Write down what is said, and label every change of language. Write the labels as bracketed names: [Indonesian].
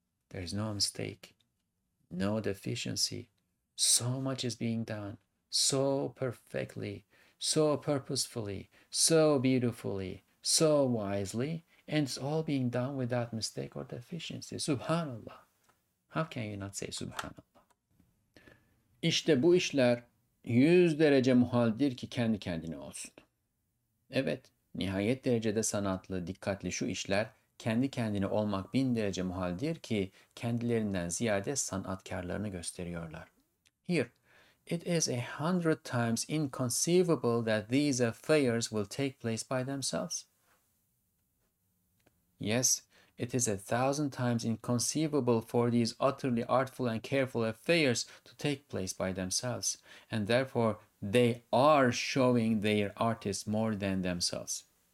[English] There is no mistake, no deficiency. So much is being done so perfectly, so purposefully, so beautifully, so wisely, and it's all being done without mistake or deficiency. Subhanallah. How can you not say Subhanallah? [Turkish] İşte bu işler 100 derece muhaldir ki kendi kendine olsun. Evet, nihayet derecede sanatlı, dikkatli şu işler kendi kendine olmak 1000 derece muhaldir ki kendilerinden ziyade sanatkarlarını gösteriyorlar. [English] Here, it is 100 times inconceivable that these affairs will take place by themselves. Yes, It is a thousand times inconceivable for these utterly artful and careful affairs to take place by themselves, and therefore they are showing their artists more than themselves.